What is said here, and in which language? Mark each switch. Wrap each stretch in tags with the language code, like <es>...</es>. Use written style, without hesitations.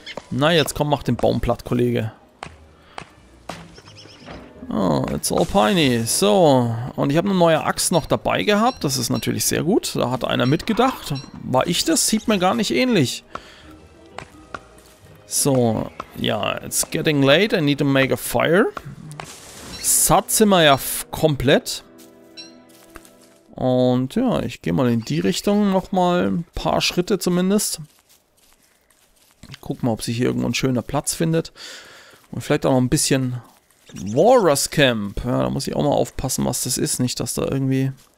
<de>Na, jetzt komm, mach den Baum platt, Kollege.</de> <en>Oh, it's all piney.</en> <de>So, und ich habe eine neue Axt noch dabei gehabt. Das ist natürlich sehr gut. Da hat einer mitgedacht. War ich das? Sieht mir gar nicht ähnlich.</de> <en>So, ja, it's getting late. I need to make a fire.</en> <de>Satt sind wir ja komplett. Und ja, ich gehe mal in die Richtung nochmal. Ein paar Schritte zumindest. Guck mal, ob sich hier irgendwo ein schöner Platz findet. Und vielleicht auch noch ein bisschen Walrus Camp. Ja, da muss ich auch mal aufpassen, was das ist. Nicht, dass da irgendwie...</de>